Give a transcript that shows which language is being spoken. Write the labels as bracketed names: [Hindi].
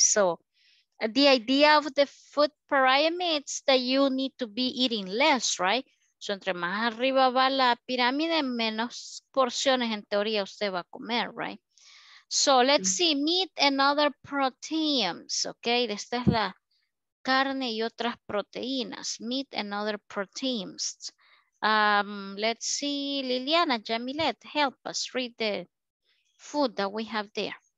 [English] So the idea of the food pyramid is that you need to be eating less, right? [Spanish] So entre más arriba va la pirámide, menos porciones en teoría usted va a comer, right? [English] So let's see, meat and other proteins, okay? [Spanish] Esta es la carne y otras proteínas, [English] meat and other proteins. Let's see, Liliana, Jamilet, help us read the food that we have there.